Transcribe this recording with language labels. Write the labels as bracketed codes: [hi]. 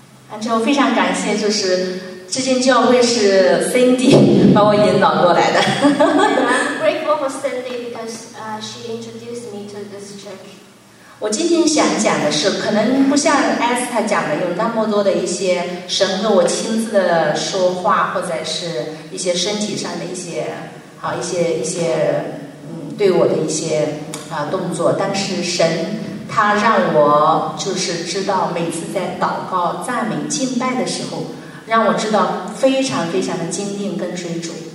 [zh] 然后非常感谢，就是这间教会是 Cindy 把我引导过来的。 [en] I'm grateful for Cindy because she introduced me to this church. [zh] 我今天想讲的是，可能不像 Esther 讲的有那么多的一些神和我亲自的说话，或者是一些身体上的一些好一些对我的一些动作。但是神他让我就是知道，每次在祷告、赞美、敬拜的时候，让我知道非常非常的坚定跟追逐。